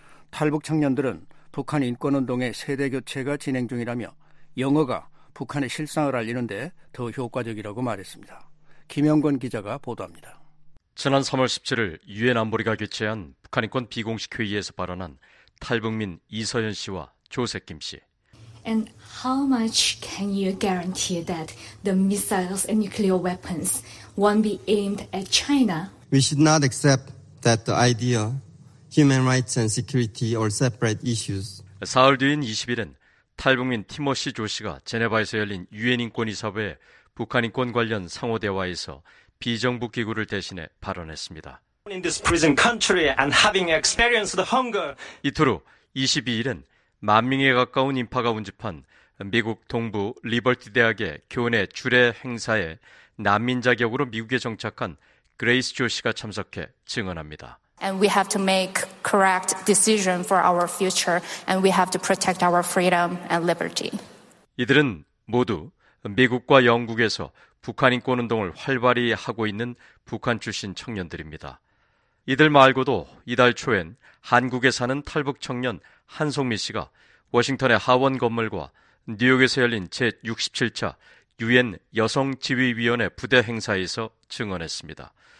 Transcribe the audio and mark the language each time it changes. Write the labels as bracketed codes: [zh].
[ko] 탈북 청년들은 북한 인권운동의 세대교체가 진행 중이라며 영어가 북한의 실상을 알리는 데 더 효과적이라고 말했습니다. 김영건 기자가 보도합니다. 지난 3월 17일 유엔 안보리가 개최한 북한 인권 비공식 회의에서 발언한 탈북민 이서연 씨와 조세김 씨. [en] And how much can you guarantee that the missiles and nuclear weapons won't be aimed at China? We should not accept that the idea human rights and security are separate issues. [ko] 사흘 뒤인 20일은 탈북민 티머시 조 씨가 제네바에서 열린 유엔 인권이사회 북한 인권 관련 상호 대화에서 비정부 기구를 대신해 발언했습니다. [en] In this prison country and having experienced hunger. [ko] 이틀 후 22일은 만 명에 가까운 인파가 운집한 미국 동부 리버티 대학의 교내 주례 행사에 난민 자격으로 미국에 정착한 그레이스 조 씨가 참석해 증언합니다. [en] And we have to make correct decision for our future and we have to protect our freedom and liberty. [ko] 이들은 모두 미국과 영국에서 북한 인권 운동을 활발히 하고 있는 북한 출신 청년들입니다. 이들 말고도 이달 초엔 한국에 사는 탈북 청년 한송미 씨가 워싱턴의 하원 건물과 뉴욕에서 열린 제67차 유엔 여성지위위원회 부대 행사에서 증언했습니다.